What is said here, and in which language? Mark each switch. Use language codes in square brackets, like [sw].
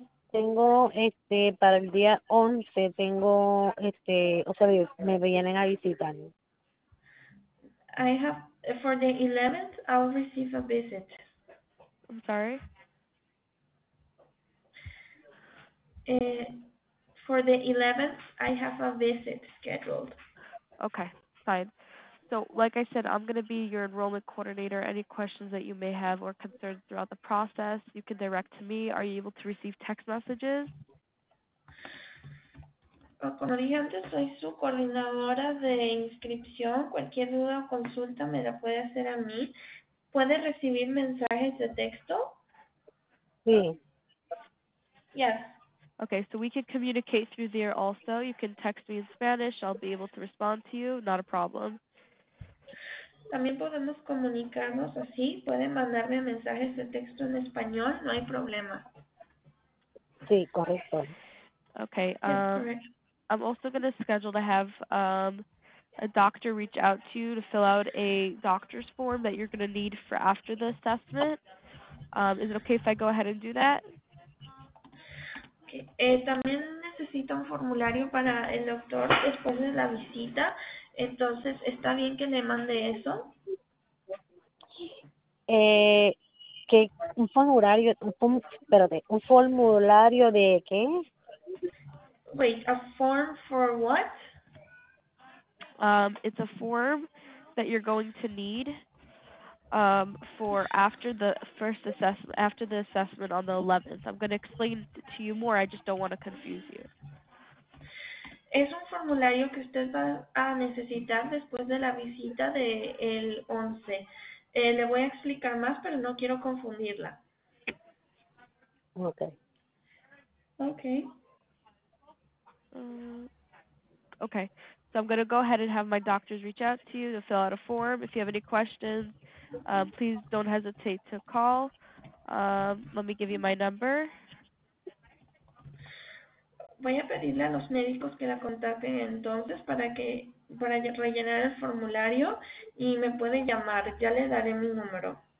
[es] Tengo para el día 11, tengo o sea, me vienen a visitar. [en] I have for the 11th, I'll receive a visit. I'm sorry. For the 11th, I have a visit scheduled. Okay, fine. So, like I said, I'm going to be your enrollment coordinator. Any questions that you may have or concerns throughout the process, you can direct to me. Are you able to receive text messages? [es] Como dije antes, soy su coordinadora de inscripción. Cualquier duda o consulta me la puede hacer a mí. ¿Puede recibir mensajes de texto? Sí. [en] Yes. Okay, so we can communicate through there also. You can text me in Spanish. I'll be able to respond to you. Not a problem. [es] También podemos comunicarnos así. Pueden mandarme mensajes de texto en español. No hay problema. Sí, correcto. [en] Okay. I'm also going to schedule to have a doctor reach out to you to fill out a doctor's form that you're going to need for after the assessment. Is it okay if I go ahead and do that? [es] También necesito un formulario para el doctor después de la visita. Entonces, ¿está bien que le mande eso? ¿Qué? ¿Un formulario? ¿Un formulario de qué? [en] Wait, a form for what? It's a form that you're going to need for after the assessment on the 11th. I'm going to explain to you more. I just don't want to confuse you. [es] Es un formulario que usted va a necesitar después de la visita de el 11. Le voy a explicar más, pero no quiero confundirla. [en] Okay. Okay. Okay. So I'm going to go ahead and have my doctors reach out to you to fill out a form. If you have any questions, please don't hesitate to call. Let me give you my number. [es] Voy a pedirle a los médicos que la contacten entonces para rellenar el formulario y me pueden llamar. Ya le daré mi número.